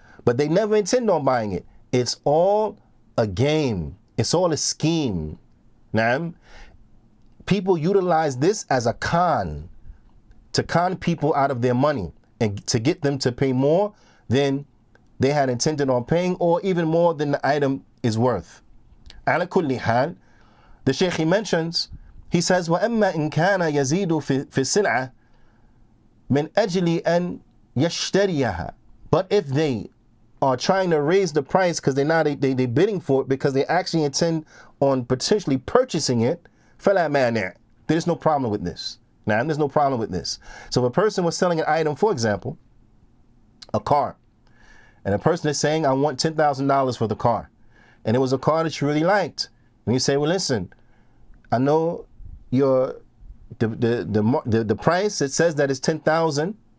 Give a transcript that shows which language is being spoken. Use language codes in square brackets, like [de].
[en] But they never intend on buying it. It's all a game. It's all a scheme. Yeah? people utilize this as a con, to con people out of their money and to get them to pay more than they had intended on paying, or even more than the item is worth. [ar] Ala kulli hal, [en] the Shaykh, he mentions, he says, [ar] وَأَمَّا إِن كَانَ يَزِيدُ فِي السِّلْعَ مِنْ أَجْلِ أَن يَشْتَرِيَهَا. [en] But if they are trying to raise the price because they're not, they're bidding for it because they actually intend on potentially purchasing it, [ar] فَلَا مَانِعَ, [en] there's no problem with this. Now, there's no problem with this. So if a person was selling an item, for example, a car, and a person is saying, I want $10,000 for the car, and it was a car that you really liked, and you say, well, listen, I know your the price, it says that it's $10,000.